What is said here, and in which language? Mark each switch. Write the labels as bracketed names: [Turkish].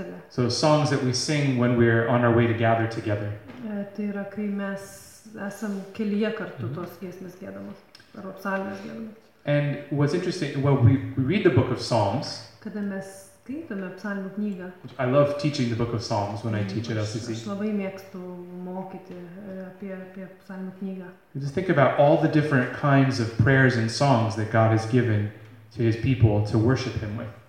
[English] So songs that we sing when we're on our way to gather together. [Lithuanian] Tai yra, kai mes esam kelyje kartu tos giesmės giedamos, arba psalmės giedamos. [English] And what's interesting, well, we read the book of Psalms. [Lithuanian] Kada mes skaitome psalmų knygą. [English] I love teaching the book of Psalms when I teach at LCC. [Lithuanian] Aš labai mėgstu mokyti apie psalmų knygą. [English] Just think about all the different kinds of prayers and songs that God has given to his people to worship him with.